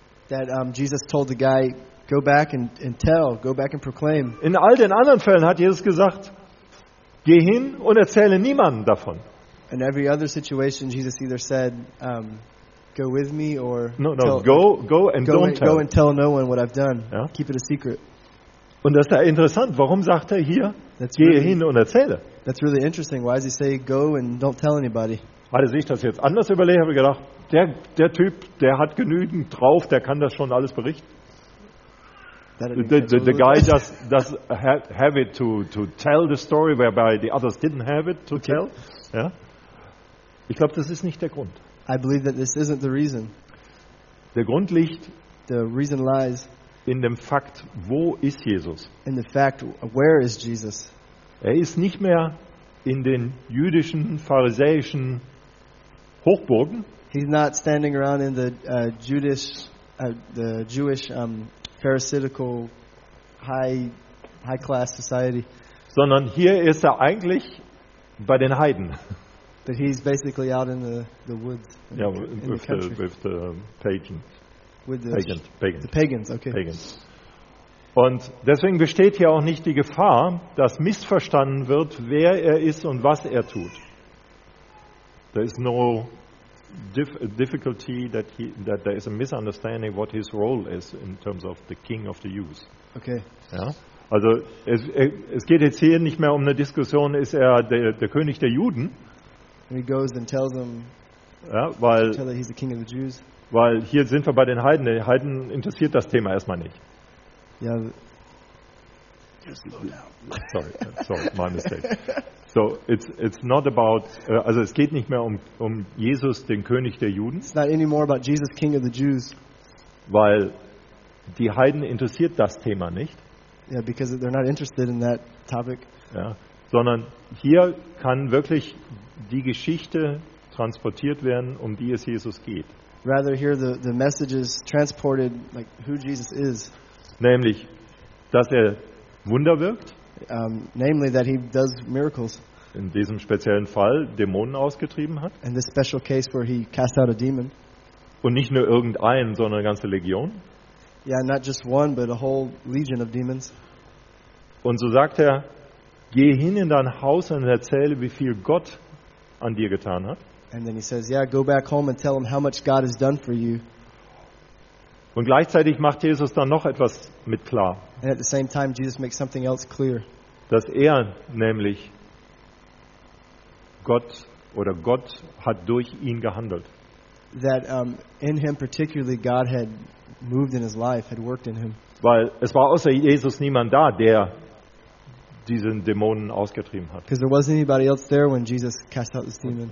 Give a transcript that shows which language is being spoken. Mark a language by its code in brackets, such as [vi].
[en] That Jesus told the guy, go back and tell, go back and proclaim. [de] In all den anderen Fällen hat Jesus gesagt, geh hin und erzähle niemandem davon. [en] In every other situation, Jesus either said, go with me or go and tell no one what I've done. Ja? Keep it a secret. [de] Und das ist ja interessant. Warum sagt er hier, gehe hin und erzähle? [en] That's really interesting. Why does he say go and don't tell anybody? [de] Hatte sich das jetzt anders überlegt, habe ich gedacht, der Typ, der hat genügend drauf, der kann das schon alles berichten. [en] The guy does have it to tell the story, whereby the others didn't have it to tell. [de] Ja? Ich glaube, das ist nicht der Grund. [en] I believe that this isn't the reason. [de] Der Grund liegt. [en] The reason lies. [de] In dem Fakt, wo ist Jesus? [en] In the fact, where is Jesus? [de] Er ist nicht mehr in den jüdischen, pharisäischen Hochburgen. [en] He's not standing around in the Jewish pharisaical high class society. [de] Sondern hier ist er eigentlich bei den Heiden. [en] But he's basically out in the woods. Ja, with the pagan. With the pagans, okay. Pagans. [de] Und deswegen besteht hier auch nicht die Gefahr, dass missverstanden wird, wer er ist und was er tut. [en] There is no difficulty that there is a misunderstanding what his role is in terms of the king of the Jews. Okay. [de] Ja? Also es geht jetzt hier nicht mehr um eine Diskussion, ist er der König der Juden? [en] And he goes and tells them, [de] ja, weil [en] tell that he's the king of the Jews. [de] Weil hier sind wir bei den Heiden. Die Heiden interessiert das Thema erstmal nicht. Ja. [en] Sorry, my mistake. So, it's not about. [de] Also es geht nicht mehr um Jesus, den König der Juden. [en] It's not anymore about Jesus, King of the Jews. [de] Weil die Heiden interessiert das Thema nicht. [en] Ja, yeah, because they're not interested in that topic. [de] Ja, sondern hier kann wirklich die Geschichte transportiert werden, um die es Jesus geht. [en] Rather here the message is transported like who Jesus is, [de] nämlich dass er Wunder wirkt, [en] namely that he does miracles, [de] in diesem speziellen Fall Dämonen ausgetrieben hat, [en] in this special case where he cast out a demon, [de] und nicht nur irgendeinen, sondern eine ganze Legion. [en] Yeah, not just one but a whole legion of demons. [de] Und so sagt er, geh hin in dein Haus und erzähle, wie viel Gott an dir getan hat. [en] And then he says, yeah, go back home and tell him how much God has done for you. [de] Und gleichzeitig macht Jesus dann noch etwas mit klar. [en] And at the same time, Jesus makes something else clear. [de] Dass er nämlich Gott, oder Gott hat durch ihn gehandelt. [en] That in him particularly God had moved in his life, had worked in him. [de] Weil es war außer Jesus niemand da, der diesen Dämonen ausgetrieben hat. [en] Because there wasn't anybody else there when Jesus cast out this demon.